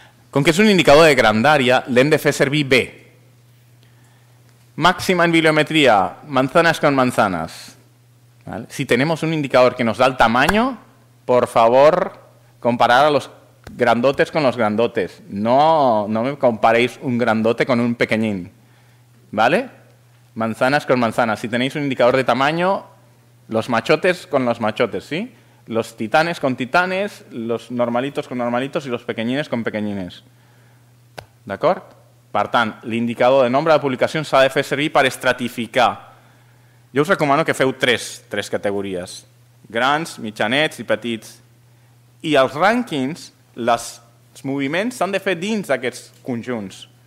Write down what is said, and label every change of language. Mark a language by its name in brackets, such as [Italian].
[Catalan] Com que és un indicador de grandària, l'hem de fer servir bé. Màxima en bibliometria, [Spanish] manzanas con manzanas. ¿Vale? Si tenemos un indicador que nos da el tamaño, por favor, comparar a los grandotes con los grandotes. No me comparéis un grandote con un pequeñín. ¿Vale? Manzanas con manzanas. Si tenéis un indicador de tamaño, los machotes con los machotes, ¿sí? los titanes con titanes, los normalitos con normalitos y los pequeñines con pequeñines. [Catalan] D'acord? Per tant, l'indicador de nombre de publicacions s'ha de fer servir per estratificar. Jo us recomano que feu tres categories. Grans, mitjanets i petits. I els rànquings, els moviments s'han de fer dins d'aquests conjunts.